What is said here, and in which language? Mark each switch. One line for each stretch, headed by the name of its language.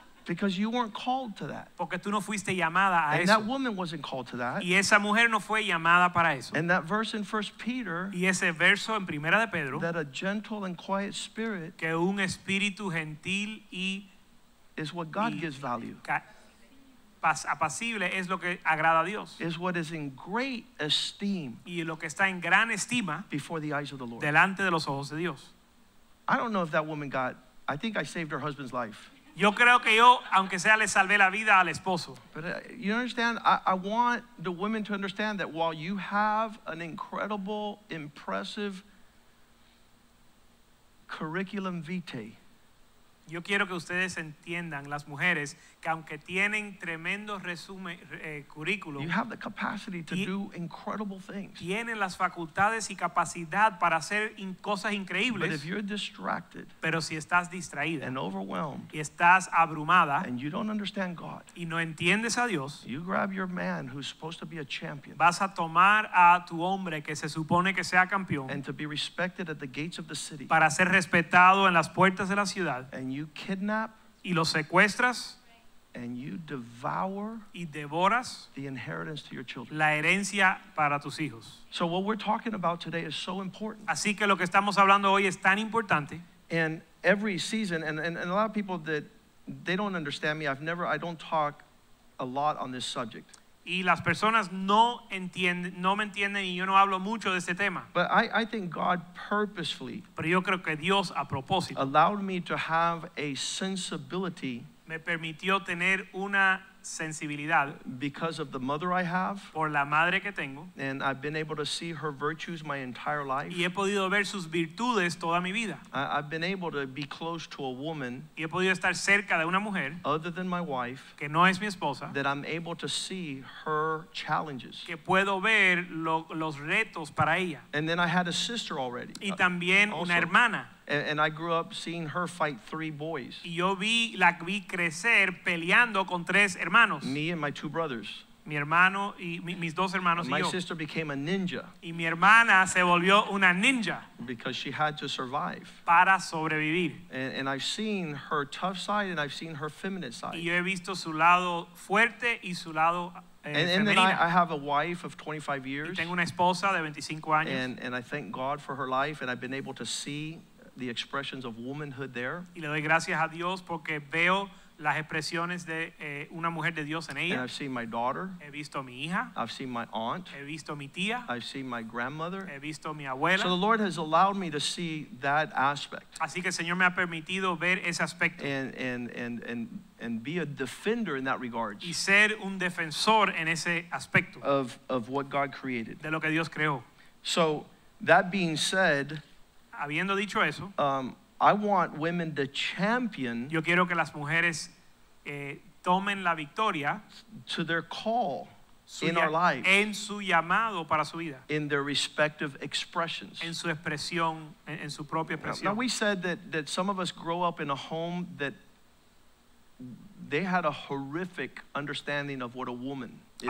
English: Because you weren't called to that.
Spanish: Porque tú no fuiste llamada a
English: and
Spanish: eso.
English: That woman wasn't called to that.
Spanish: Y esa mujer no fue llamada para eso.
English: And that verse in 1 Peter.
Spanish: Y ese verso en Primera de Pedro.
English: That a gentle and quiet spirit.
Spanish: Que un espíritu gentil y.
English: Is what God gives value.
Spanish: Apacible es lo que agrada a Dios.
English: Is what is in great esteem.
Spanish: Y lo que está en gran estima.
English: Before the eyes of the Lord.
Spanish: Delante de los ojos de Dios.
English: I don't know if that woman got. I think I saved her husband's life.
Spanish: Yo creo que yo, aunque sea, le salvé la vida al esposo.
English: But you understand, I want the women to understand that while you have an incredible, impressive curriculum vitae.
Spanish: Yo quiero que ustedes entiendan, las mujeres, que aunque tienen tremendo resumen, currículum.
English: You have the capacity to do incredible things.
Spanish: Tienen las facultades y capacidad para hacer cosas increíbles.
English: But if you're distracted.
Spanish: Pero si estás distraída.
English: And overwhelmed.
Spanish: Y estás abrumada.
English: And you don't understand God.
Spanish: Y no entiendes a Dios.
English: You grab your man who's supposed to be a champion.
Spanish: Vas a tomar a tu hombre que se supone que sea campeón.
English: And to be respected at the gates of the city.
Spanish: Para ser respetado en las puertas de la ciudad.
English: And you kidnap,
Spanish: y lo secuestras,
English: and you devour,
Spanish: y devoras,
English: the inheritance to your children,
Spanish: la herencia para tus hijos.
English: So what we're talking about today is so important.
Spanish: Así que lo que estamos hablando hoy es tan importante.
English: And every season, and a lot of people that they don't understand me. I don't talk a lot on this subject.
Spanish: Y las personas no me entienden, y yo no hablo mucho de este tema.
English: But I think God purposefully,
Spanish: pero yo creo que Dios a propósito,
English: allowed me to have a sensibility,
Spanish: me permitió tener una sensibilidad,
English: because of the mother I have,
Spanish: por la madre que tengo,
English: and I've been able to see her virtues my entire life,
Spanish: y he podido ver sus virtudes toda mi vida.
English: I've been able to be close to a woman,
Spanish: y he podido estar cerca de una mujer,
English: other than my wife,
Spanish: que no es mi esposa,
English: that I'm able to see her challenges,
Spanish: que puedo ver los retos para ella.
English: And then I had a sister already,
Spanish: y también una hermana.
English: And I grew up seeing her fight three boys.
Spanish: Y yo la vi crecer peleando con tres hermanos.
English: Me and my two brothers.
Spanish: Mi hermano y mis dos hermanos y yo.
English: My sister became a ninja.
Spanish: Y mi hermana se volvió una ninja.
English: Because she had to survive.
Spanish: Para sobrevivir.
English: And I've seen her tough side and I've seen her feminine side.
Spanish: Y yo he visto su lado fuerte y su lado
English: And then I have a wife of 25 years.
Spanish: Y tengo una esposa de 25 años.
English: And I thank God for her life and I've been able to see the expressions of womanhood there.
Spanish: Y le doy gracias a Dios porque veo las expresiones de una mujer de Dios en ella.
English: And I've seen my daughter.
Spanish: He visto mi hija.
English: I've seen my aunt.
Spanish: He visto mi tía.
English: I've seen my grandmother.
Spanish: He visto mi abuela.
English: So the Lord has allowed me to see that aspect.
Spanish: Así que el Señor me ha permitido ver ese aspecto.
English: And be a defender in that regard.
Spanish: Y ser un defensor en ese aspecto.
English: Of what God created.
Spanish: De lo que Dios creó.
English: So that being said,
Spanish: Habiendo dicho eso,
English: I want women to champion.
Spanish: Yo quiero que las mujeres tomen la victoria
English: to their call in our lives.
Spanish: En su llamado para su vida.
English: In their respective expressions.
Spanish: En su expresión, en su propia expresión.
English: Now we said that some of us grow up in a home that they had a horrific understanding of what a woman is.